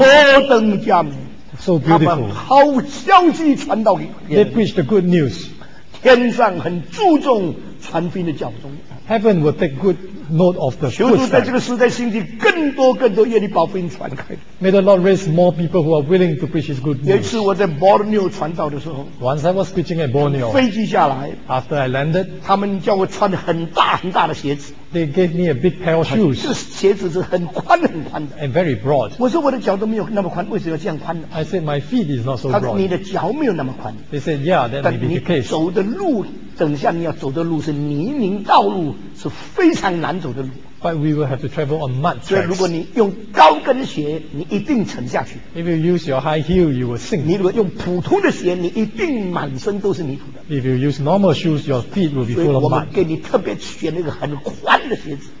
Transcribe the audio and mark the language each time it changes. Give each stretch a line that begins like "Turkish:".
Chinese: 何等佳美，
English: so beautiful.
Chinese: 他们好消息传到给别人，
English: they preached the good news.
Chinese: 天上很注重传福音的脚踪。
English: Heaven will take good note of the footstep.
Chinese: 求主在这个时代兴起更多更多愿意把福音传开。
English: May the Lord raise more people who are willing to preach His good news.
Chinese: 有一次我在 Borneo 传道的时候，
English: Once I was preaching at Borneo.
Chinese: 飞机下来，
English: After I landed,
Chinese: 他们叫我穿很大很大的鞋子。
English: They gave me a big pair of shoes.
Chinese: 这鞋子是很宽很宽的。
English: And very broad.
Chinese: 我说我的脚都没有那么宽，为什么要这样宽呢？
English: I said my feet is not so broad.
Chinese: 他说你的脚没有那么宽。
English: They said yeah, that may be the case.
Chinese: 但你走的路，等下你要走的路是泥泞道路，是非常难走的路。
English: But we will have to travel on mud tracks.
Chinese: 所以如果你用高跟鞋，你一定沉下去。
English: If you use your high heel, you will sink.
Chinese: 你如果用普通的鞋，你一定满身都是泥土的。
English: If you use normal shoes, your feet will be full of mud.
Chinese: 所以我们给你特别选那个很宽的鞋子。